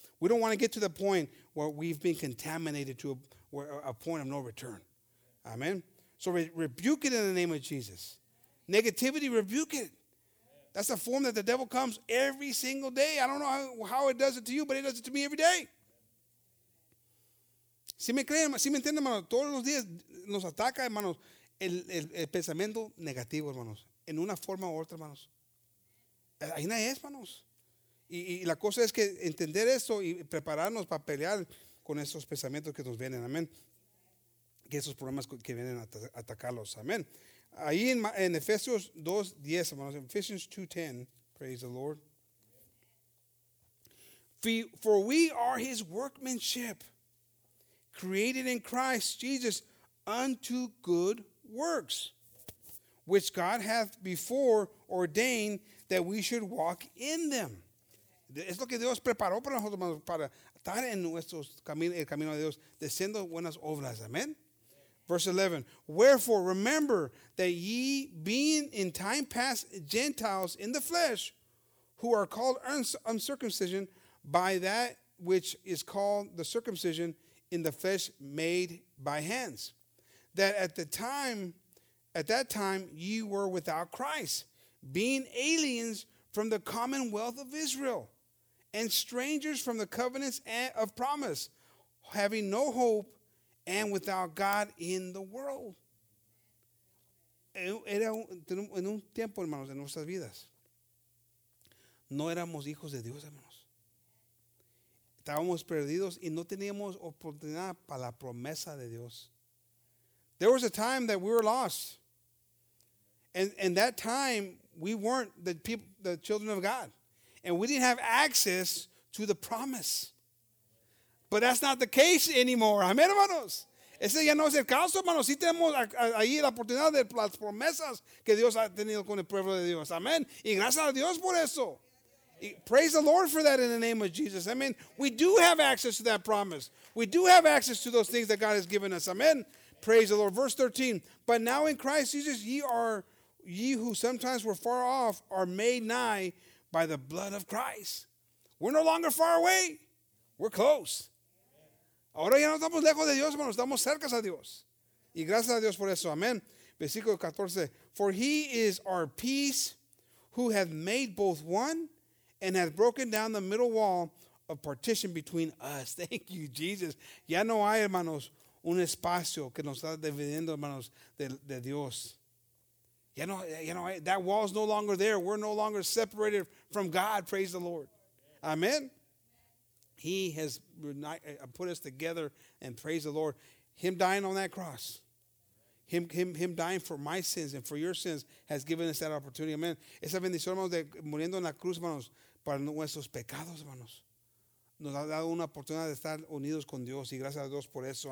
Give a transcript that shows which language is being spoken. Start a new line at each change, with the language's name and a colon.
English: We don't want to get to the point where we've been contaminated to a point of no return, amén. So rebuke it in the name of Jesus. Negativity, rebuke it. That's the form that the devil comes every single day. I don't know how it does it to you, but it does it to me every day.
Spanish: Si me creen, si me entienden, hermanos, todos los días nos ataca, hermanos, el pensamiento negativo, hermanos, en una forma u otra, hermanos. Ahí no es, hermanos. Y la cosa es que entender esto y prepararnos para pelear con esos pensamientos que nos vienen, amén. Que esos problemas que vienen a atacarlos. Amén. Ahí en Efesios 2:10, hermanos.
English: Ephesians 2:10, praise the Lord. For we are his workmanship, created in Christ Jesus unto good works, which God hath before ordained that we should walk in them.
Spanish: Es lo que Dios preparó para nosotros, hermanos, para estar en nuestros caminos, el camino de Dios, deseando buenas obras. Amén.
English: Verse 11, wherefore remember that ye being in time past Gentiles in the flesh, who are called uncircumcision by that which is called the circumcision in the flesh made by hands, that at that time ye were without Christ, being aliens from the commonwealth of Israel, and strangers from the covenants of promise, having no hope, and without God in the world.
Spanish: Era en un tiempo, hermanos, de nuestras vidas. No éramos hijos de Dios, hermanos. Estábamos perdidos y no teníamos oportunidad para la promesa de Dios.
English: There was a time that we were lost. And that time, we weren't the children of God. And we didn't have access to the promise. But that's not the case anymore.
Spanish: Amén, hermanos. Ese ya no es el caso, hermanos. Sí tenemos ahí la oportunidad de las promesas que Dios ha tenido con el pueblo de Dios. Amén. Y gracias a Dios por eso.
English: Y praise the Lord for that in the name of Jesus. Amén. We do have access to that promise. We do have access to those things that God has given us. Amén. Praise the Lord. Verse 13. But now in Christ Jesus, ye who sometimes were far off are made nigh by the blood of Christ. We're no longer far away. We're close.
Spanish: Ahora ya no estamos lejos de Dios, hermanos. Estamos cerca a Dios. Y gracias a Dios por eso. Amén. Versículo 14.
English: For he is our peace, who hath made both one, and hath broken down the middle wall of partition between us. Thank you, Jesus.
Spanish: Ya no hay, hermanos, un espacio que nos está dividiendo, hermanos, de Dios. Ya no hay,
English: that wall is no longer there. We're no longer separated from God. Praise the Lord. Amén. He has put us together, and praise the Lord. Him dying on that cross, him dying for my sins and for your sins has given us that opportunity. Amen.
Spanish: Esa bendición, hermanos, de muriendo en la cruz, hermanos, para nuestros pecados, hermanos. Nos ha dado una oportunidad de estar unidos con Dios, y gracias a Dios por eso.